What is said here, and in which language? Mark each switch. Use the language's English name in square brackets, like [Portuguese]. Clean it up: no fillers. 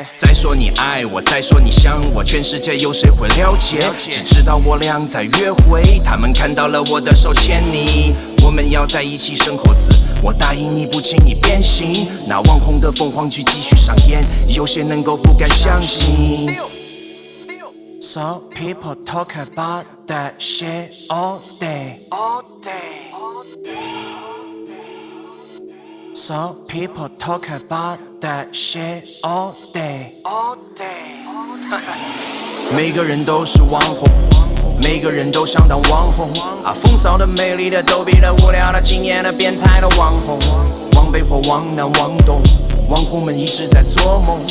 [Chinese] 再说你爱我，再说你想我，全世界有谁会了解？只知道我俩在约会，他们看到了我的手牵你，我们要在一起生猴子，我答应你不轻易变心。那网红的凤凰剧继续上演，有谁能够不敢相信？ [English] So people talk about that shit all day. All day. So people talk about that shit all day. All day. [Chinese] 每个人都是网红，每个人都相当网红啊，风骚的、美丽的、逗逼的、无聊的、惊艳的、变态的网红，往北或往南往东，网红们一直在做梦。